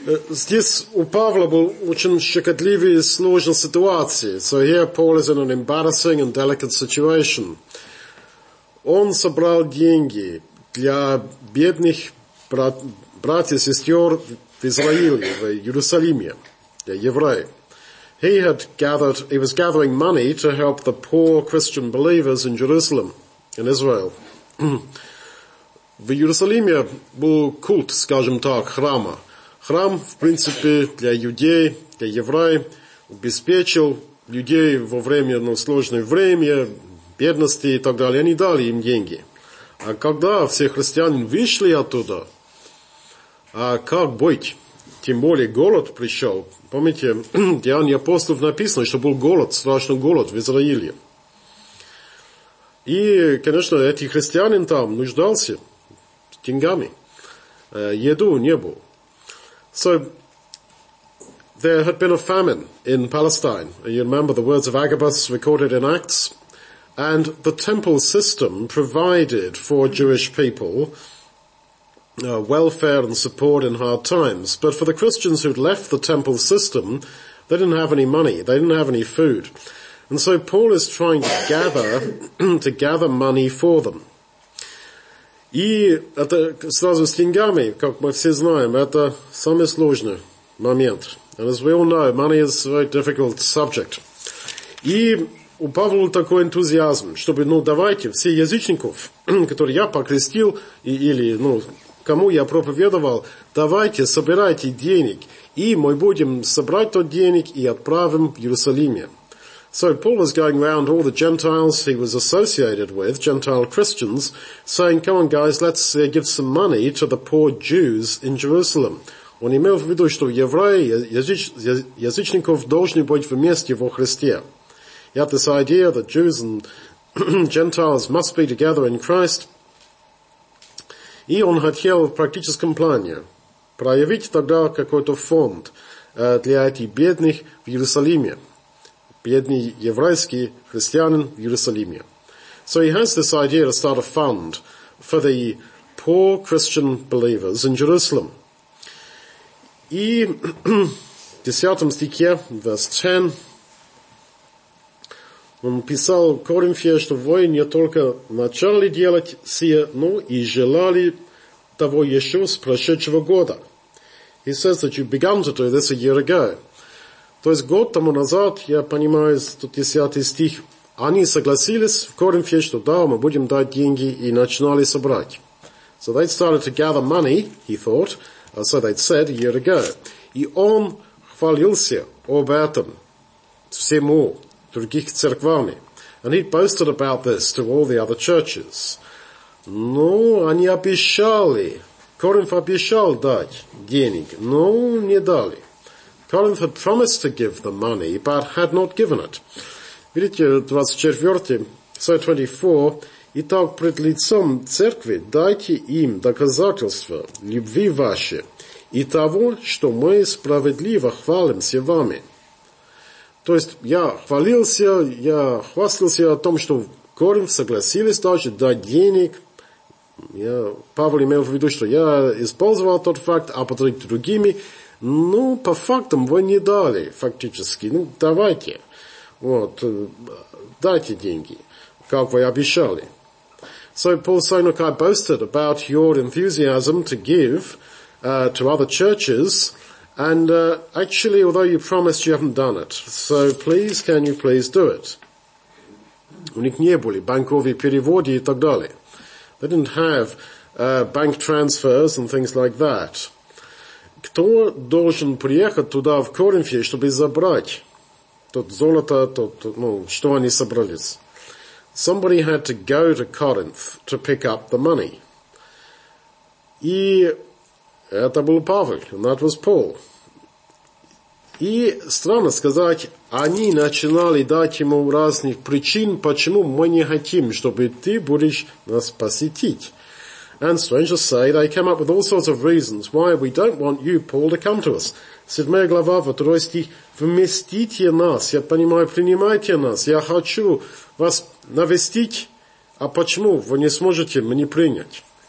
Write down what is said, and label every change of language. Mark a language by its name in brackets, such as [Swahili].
[Russian] Здесь у Павла был очень щекотливый и сложная ситуация. [English] So here Paul is in an embarrassing and delicate situation. [Russian] Он собрал деньги для бедных братьев и сестер в Израиле, в Иерусалиме, для евреев. [English] He had gathered, he was gathering money to help the poor Christian believers in Jerusalem, in Israel. [Russian] В Иерусалиме был культ, скажем так, храма. Храм, в принципе, для людей, для евреев, обеспечил людей во время, ну, сложное время, бедности и так далее. Они дали им деньги. А когда все христиане вышли оттуда, а как быть? Тем более голод пришел. Помните, в Деяниях апостолов написано, что был голод, страшный голод в Израиле. И, конечно, эти христианин там нуждался деньгами. Еду не было. [English] So, there had been a famine in Palestine. You remember the words of Agabus recorded in Acts? And the temple system provided for Jewish people welfare and support in hard times. But for the Christians who'd left the temple system, they didn't have any money. They didn't have any food. And so Paul is trying to gather to gather money for them. [Russian] И это сразу с деньгами, как мы все знаем, это самый сложный момент. [English] And as we all know, money is a very difficult subject. [Russian] И у Павла такой энтузиазм, чтобы, ну, давайте, все язычников, которые я покрестил, или, ну, кому я проповедовал, давайте, собирайте денег, и мы будем собрать тот денег и отправим в Иерусалиме. [English] So Paul was going around all the Gentiles he was associated with, Gentile Christians, saying, come on guys, let's give some money to the poor Jews in Jerusalem. [Russian] Он имел в виду, что евреи, язычников должны быть вместе во Христе. [English] He had this idea that Jews and Gentiles must be together in Christ. [Russian] И он хотел в практическом плане проявить тогда какой-то фонд для этих бедных в Иерусалиме. Бедный еврейский христианин в Иерусалиме. [English] So he has this idea to start a fund for the poor Christian believers in Jerusalem. [Russian] И в 10 стихе, [English] verse 10, [Russian] он писал Коринфе, что вы не только начали делать сие, но и желали того еще с прошедшего года. [English] He says that you began to do this a year ago. [Russian] То есть год тому назад, я понимаю, 110 стих, они согласились в Коринфе, что да, мы будем дать деньги, и начинали собрать. [English] So they started to gather money, he thought, so they'd said a year ago. [Russian] И он хвалился об этом всему других церквами. [English] And he boasted about this to all the other churches. [Russian] Но они обещали, Коринф обещал дать денег, но не дали. [English] Corinth had promised to give the money, but had not given it. [Russian] Видите, 24, 24. Итак, пред лицом церкви дайте им доказательство любви вашей и того, что мы справедливо хвалимся вами. То есть я хвалился, я хвастался о том, что Коринф согласились даже дать денег. Я, Павел имел в виду, что я использовал тот факт, а потом другими. Ну, по фактам вы не дали, фактически. Ну, давайте. Вот, дайте деньги, как вы обещали. [English] So Paul saying, look, I boasted about your enthusiasm to give to other churches, and actually, although you promised, you haven't done it. So please, can you please do it? [Russian] У них не были банковые переводы и так далее. [English] They didn't have bank transfers and things like that. [Russian] Кто должен приехать туда, в Коринфе, чтобы забрать тот золото, тот, ну, что они собрались? [English] Somebody had to go to Corinth to pick up the money. [Russian] И это был Павел, [English] and that was Paul. [Russian] И странно сказать, они начинали дать ему разных причин, почему мы не хотим, чтобы ты будешь нас посетить. [English] And strange to say, they came up with all sorts of reasons why we don't want you, Paul, to come to us. [Russian] Седьмая глава, второй стих, вместите нас, я понимаю, принимайте нас, я хочу вас навестить, А почему вы не сможете мне принять?